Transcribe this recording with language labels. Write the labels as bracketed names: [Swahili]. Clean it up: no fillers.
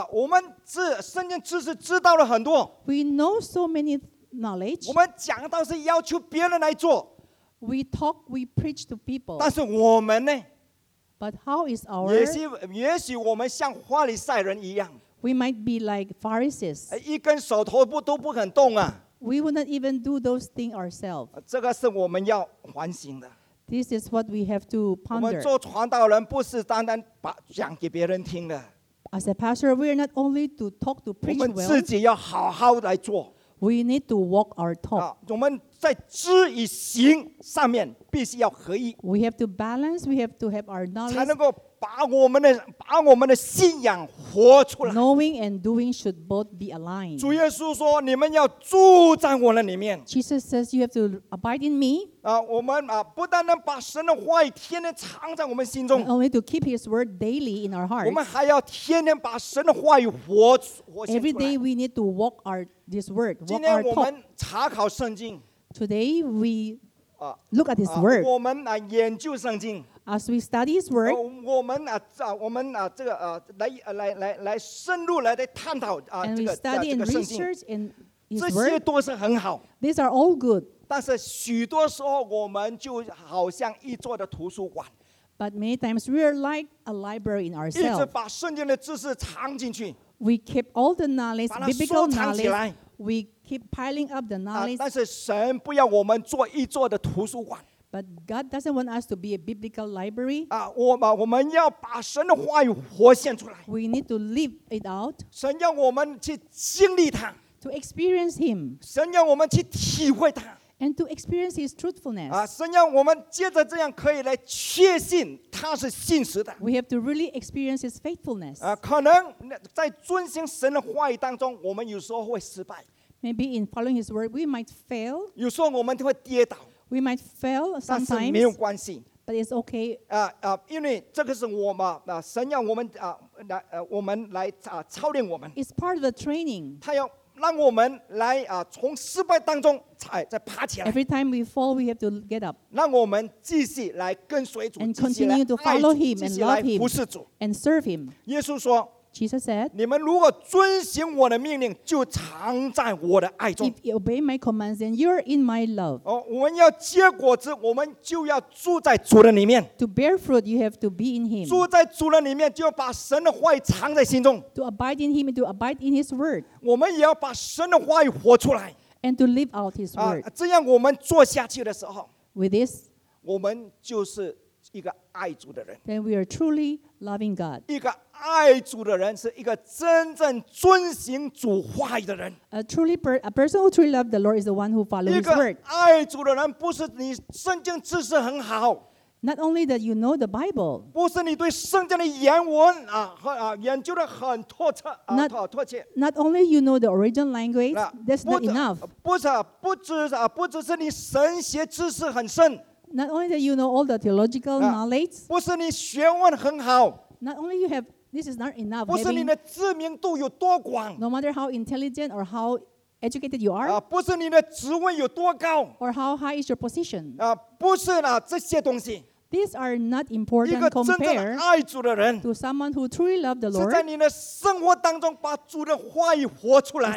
[Chinese] 我们圣经知识知道了很多。 [English] We know so many knowledge. [Chinese] 我们讲道是要求别人来做。 [English] We talk, we preach to people. [Chinese] 但是我们呢？ [English] But how is our? [Chinese] 也许我们像法利赛人一样。 [English] We might be like Pharisees. [Chinese] 一根手头不都不肯动啊。 [English] We would not even do those things ourselves. [Chinese] 这个是我们要反省的。 [English] This is what we have to ponder. [Chinese] 我们做传道人不是单单把讲给别人听的。 [English] As a pastor, we are not only to talk to preach well. [Chinese] 我们自己要好好来做。 [English] We need to walk our talk. [Chinese] 我们在知与行上面必须要合一。 [English] We have to balance. We have to have our knowledge. [Chinese] 才能够把我们的信仰活出来。 [English] Knowing and doing should both be aligned. [Chinese] 主耶稣说：“你们要住在我的里面。” [English] Jesus says, "You have to abide in me." [Chinese] 我们不但能把神的话语天天藏在我们心中 [English] ，not only to keep His word daily in our hearts. [Chinese] 我们还要天天把神的话语活出来。 [English] Every day we need to walk our this word. [Chinese] 今天我们查考圣经。 [English] Today we look at His word. [Chinese] 我们研究圣经。 [English] As we study His word, [Chinese] 我们这个来深入来的探讨 [English] and we study and research in His word. [Chinese] 这些都是很好。 [English] These are all good. [Chinese] 但是许多时候我们就好像一座的图书馆。 [English] But many times we are like a library in ourselves. [Chinese] 一直把圣经的知识藏进去。 [English] We keep all the knowledge, biblical knowledge. We keep piling up the knowledge. [Chinese] 但是神不要我们做一座的图书馆。 [English] But God doesn't want us to be a biblical library. [Chinese] 我们要把神的话语活现出来。 [English] We need to live it out. [Chinese] 神要我们去经历他。 [English] To experience Him. [Chinese] 神要我们去体会他。 [English] And to experience His truthfulness. [Chinese] 神要我们接着这样可以来确信他是信实的。 [English] We have to really experience His faithfulness. [Chinese] 可能在遵循神的话语当中，我们有时候会失败。 [English] Maybe in following His word, we might fail. [Chinese] 有时候我们会跌倒。 [English] We might fail sometimes, [Chinese] 但是没有关系 [English] but it's okay. [Chinese] 因为这个是我们神要我们我们来操练我们。 [English] It's part of the training. [Chinese] 他要让我们来从失败当中再爬起来。 [English] Every time we fall, we have to get up. [Chinese] 让我们继续来跟随主， [English] and continue to follow Him and love Him, [Chinese] 继续来服侍主 [English] and serve Him. [Chinese] 耶稣说。 [English] Jesus said, [Chinese] 你们如果遵行我的命令，就藏在我的爱中。 [English] If you obey my commands, then you are in my love. [Chinese] 我们要结果子，我们就要住在主的里面。 [English] To bear fruit, you have to be in Him. [Chinese] 住在主的里面，就要把神的话语藏在心中。 [English] To abide in Him, to abide in His word. [Chinese] 我们也要把神的话语活出来。 [English] And to live out His word. [Chinese] 这样我们做下去的时候 [English] ，With this, [Chinese] 我们就是一个爱主的人。 [English] Then we are truly loving God. [Chinese] 一个。爱主的人是一个真正遵行主话语的人。 [English] A person who truly loves the Lord is the one who follows His word. [Chinese] 一个爱主的人不是你圣经知识很好。 [English] Not only that you know the Bible. [Chinese] 不是你对圣经的原文研究的很透彻。 [English] Not only you know the original language, that's not enough. [Chinese] 不只是你神学知识很深。 [English] Not only that you know all the theological knowledge. [Chinese] 不是你学问很好。 [English] Not only you have this is not enough. [Chinese] 不是你的知名度有多广 [English] ，No matter how intelligent or how educated you are. [Chinese] 不是你的职位有多高 [English] ，Or how high is your position. [Chinese] 不是啦，这些东西。 [English] These are not important compare to someone who truly loves the Lord. [Chinese] 是在你的生活当中把主的话语活出来。